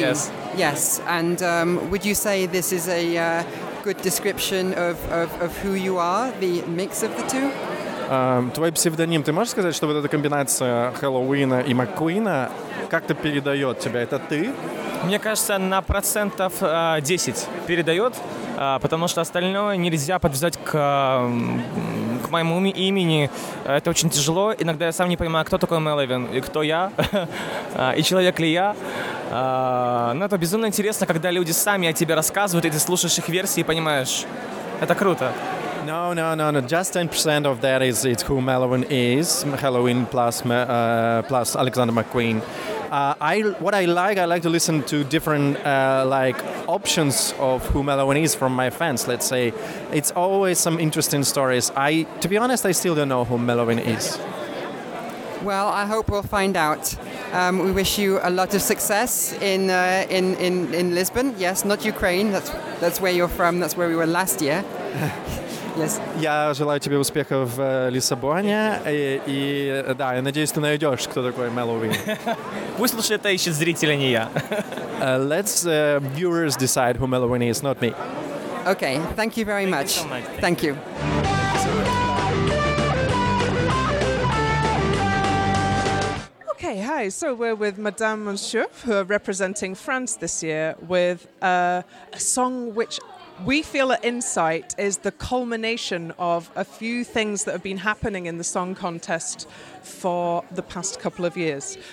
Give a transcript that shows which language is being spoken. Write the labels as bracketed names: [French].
[English] Yes. Yes. And would you say this is a good description of who you are, the mix of the two? [Russian] Твой псевдоним, ты можешь сказать, что вот эта комбинация Хэллоуина и Маккуина как-то передает тебя? Это ты? Мне кажется, на процентов 10 передает, потому что остальное нельзя подвязать к моему имени. Это очень тяжело. Иногда я сам не понимаю, кто такой Мелвин и кто я, и человек ли я. Но это безумно интересно, когда люди сами о тебе рассказывают, и ты слушаешь их версии и понимаешь. Это круто. [English] No. Just 10% of that is who Melvin is. Halloween plus Alexander McQueen. I like to listen to different like options of who Melvin is from my fans. Let's say it's always some interesting stories. To be honest, I still don't know who Melvin is. Well, I hope we'll find out. We wish you a lot of success in Lisbon. Yes, not Ukraine. That's where you're from. That's where we were last year. Yes. [Russian] Я желаю тебе успеха в Лиссабоне, и да, я надеюсь, ты найдешь, кто такой Мелвин. Пусть лучше это ищет зритель, а не я. [English] Let's viewers decide who Мелвин is, not me. Okay, thank you very much. Thank you so much. Okay, hi. So we're with Madame Monsieur, who are representing France this year, with a song which we feel at Insight is the culmination of a few things that have been happening in the song contest for the past couple of years.